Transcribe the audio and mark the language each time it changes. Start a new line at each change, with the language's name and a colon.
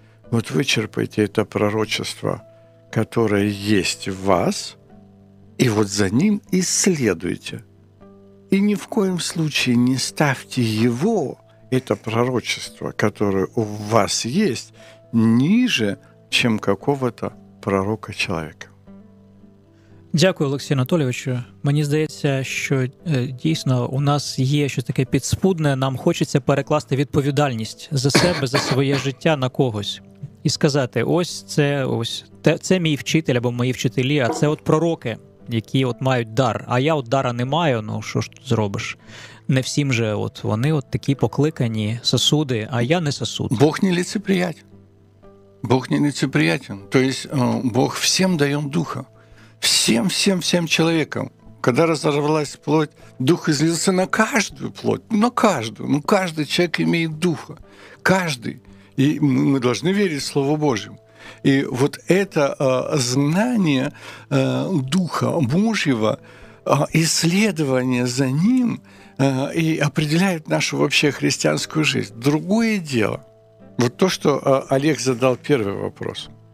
Russian: Вот вы черпаете это пророчество, которое есть в вас, и вот за ним исследуйте. И ни в коем случае не ставьте его, это пророчество, которое у вас есть, ниже, чем какого-то пророка-человека.
Ukrainian: Дякую, Олексію Анатолійовичу. Мені здається, що дійсно у нас є щось таке підспудне, нам хочеться перекласти відповідальність за себе, за своє життя на когось. І сказати, ось це мій вчитель або мої вчителі, а це от пророки, які от мають дар. А я от дара не маю, ну що ж тут зробиш? Не всім же от вони от такі покликані сосуди, а я не сосуд. Бог не лицеприятен. Бог не лицеприятен. Тобто Бог всім дає духа. Всім чоловікам. Коли розорвалась плоть, дух злився на кожну плоть. На кожну. Ну, кожен чоловік має духа. Кожен.
Russian: И мы должны верить в Слово Божье. И вот это знание Духа Божьего, исследование за Ним и определяет нашу вообще христианскую жизнь. Другое дело, вот то, что Олег задал первый вопрос.